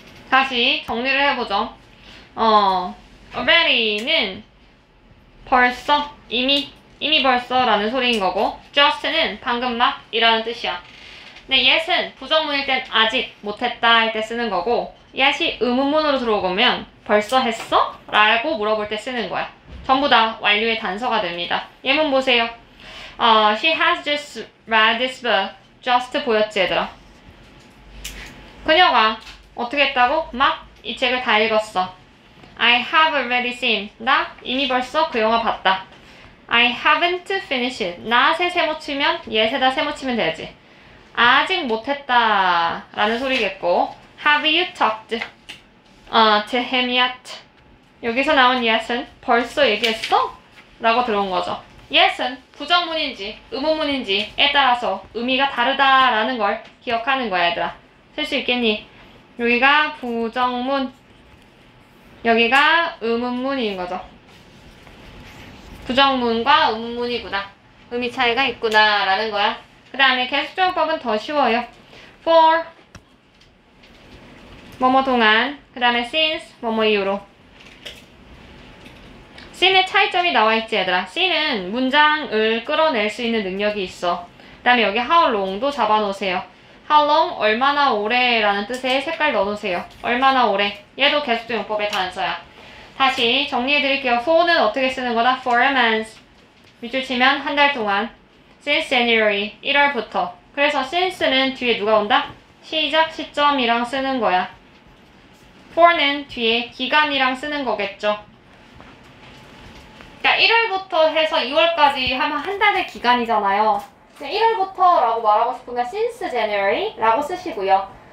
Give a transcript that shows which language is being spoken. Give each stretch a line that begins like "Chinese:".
Korean: 다시 정리를 해보죠. already는 벌써, 이미 벌써 라는 소리인 거고, just는 방금 막 이라는 뜻이야. 네, yet은 부정문일 땐 아직 못했다 할 때 쓰는 거고, yet이 의문문으로 들어오면 벌써 했어? 라고 물어볼 때 쓰는 거야. 전부 다 완료의 단서가 됩니다. 예문 보세요.
English: She has just read this book.
Korean: Just 보였지, 얘들아. 그녀가 어떻게 했다고? 막 이 책을 다 읽었어.
English: I have already seen.
Korean: 나 이미 벌써 그 영화 봤다.
English: I haven't finished it.
Korean: 나세 세모 치면, 예세다 세모 치면 되지. 아직 못했다 라는 소리겠고,
English: Have you talked to him yet?
Korean: 여기서 나온 yet은 벌써 얘기했어? 라고 들어온 거죠. yet은 부정문인지 의문문인지에 따라서 의미가 다르다 라는 걸 기억하는 거야, 얘들아. 쓸 수 있겠니? 여기가 부정문, 여기가 의문문인 거죠. 부정문과 의문문이구나, 의미 차이가 있구나 라는 거야. 그 다음에 계속 조용법은 더 쉬워요. For 뭐뭐 동안, 그 다음에 since 뭐뭐 이후로. seen의 차이점이 나와있지, 얘들아. seen은 문장을 끌어낼 수 있는 능력이 있어. 그 다음에 여기 how long도 잡아놓으세요. how long, 얼마나 오래 라는 뜻의 색깔 넣어놓으세요. 얼마나 오래, 얘도 계속 조용법의 단서야. 다시 정리해드릴게요. for는 어떻게 쓰는 거다?
English: for a month.
Korean: 밑줄 치면 한 달 동안.
English: Since January,
Korean: 1월부터. 그래서 since는 뒤에 누가 온다? 시작 시점이랑 쓰는 거야. for는 뒤에 기간이랑 쓰는 거겠죠. 그러니까 1월부터 해서 2월까지 하면 한 달의 기간이잖아요. 1월부터 라고 말하고 싶으면
English: since January
Korean: 라고 쓰시고요.